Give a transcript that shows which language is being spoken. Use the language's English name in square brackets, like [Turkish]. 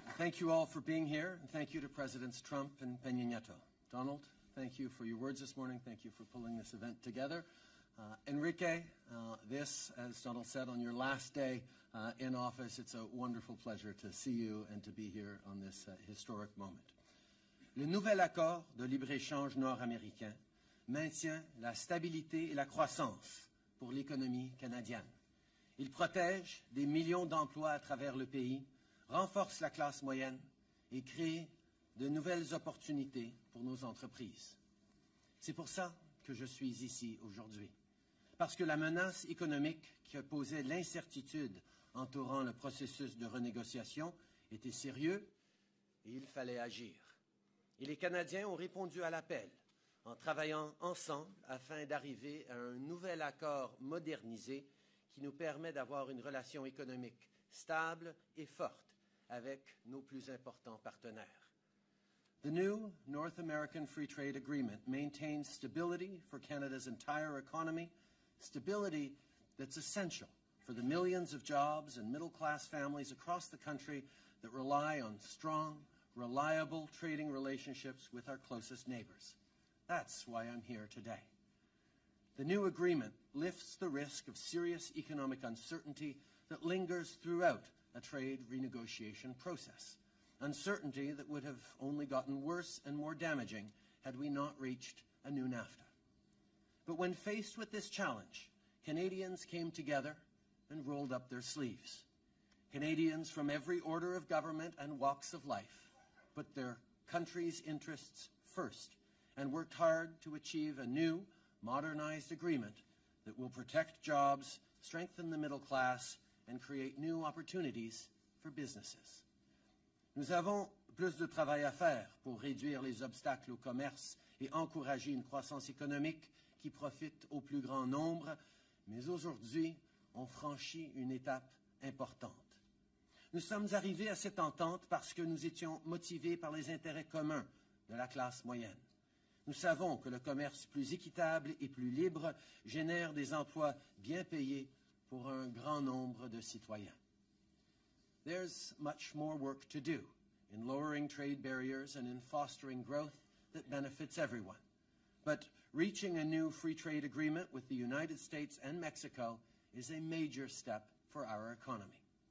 [English] Thank you all for being here, and thank you to Presidents Trump and Peña Nieto. Donald, thank you for your words this morning. Thank you for pulling this event together. Enrique, this, as Donald said, on your last day in office, it's a wonderful pleasure to see you and to be here on this historic moment. [French] Le nouvel accord de libre-échange nord-américain maintient la stabilité et la croissance pour l'économie canadienne. Il protège des millions d'emplois à travers le pays, renforce la classe moyenne et crée de nouvelles opportunités pour nos entreprises. C'est pour ça que je suis ici aujourd'hui, parce que la menace économique qui posait l'incertitude entourant le processus de renégociation était sérieuse et il fallait agir. Et les Canadiens ont répondu à l'appel en travaillant ensemble afin d'arriver à un nouvel accord modernisé qui nous permet d'avoir une relation économique stable et forte avec nos plus importants partenaires. [English] The new North American Free Trade Agreement maintains stability for Canada's entire economy, stability that's essential for the millions of jobs and middle-class families across the country that rely on strong, reliable trading relationships with our closest neighbors. That's why I'm here today. The new agreement lifts the risk of serious economic uncertainty that lingers throughout a trade renegotiation process. Uncertainty that would have only gotten worse and more damaging had we not reached a new NAFTA. But when faced with this challenge, Canadians came together and rolled up their sleeves. Canadians from every order of government and walks of life put their country's interests first and worked hard to achieve a new, modernized agreement that will protect jobs, strengthen the middle class, and create new opportunities for businesses. [French] Nous avons plus de travail à faire pour réduire les obstacles au commerce et encourager une croissance économique qui profite au plus grand nombre, mais aujourd'hui, on franchit une étape importante. Nous sommes arrivés à cette entente parce que nous étions motivés par les intérêts communs de la classe moyenne. Nous savons que le commerce plus équitable et plus libre génère des emplois bien payés pour un grand nombre de citoyens. [English] There's much more work to do in lowering trade barriers and in fostering growth that benefits everyone. But reaching a new free trade agreement with the United States and Mexico is a major step for our economy.